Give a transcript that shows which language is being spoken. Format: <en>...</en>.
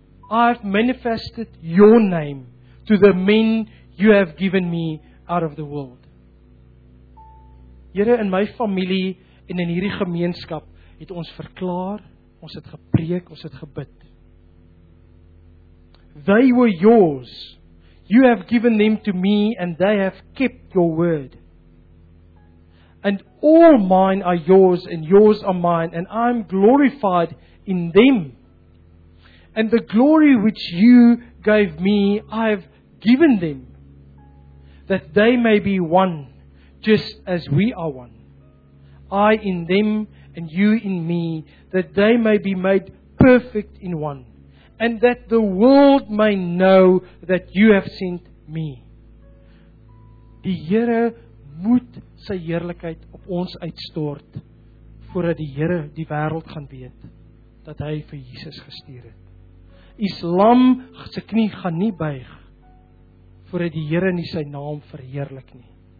<en>I've manifested your name to the men you have given me out of the world. Here in my family and in</en> <af>hierdie gemeenskap het ons verklaar, ons het gepreek, ons het gebid.</af> <en>They were yours. You have given them to me and they have kept your word. And all mine are yours and yours are mine and I'm glorified in them. And the glory which you gave me, I have given them, that they may be one, just as we are one. I in them, and you in me, that they may be made perfect in one, and that the world may know that you have sent me.</en> <af>Die Here moet sy heerlikheid op ons uitstort, voordat die Here die wêreld gaan weet, dat hy vir Jesus gestuur het. Islam sy knie gaan nie buig voordat die Here nie sy naam verheerlik nie.</af>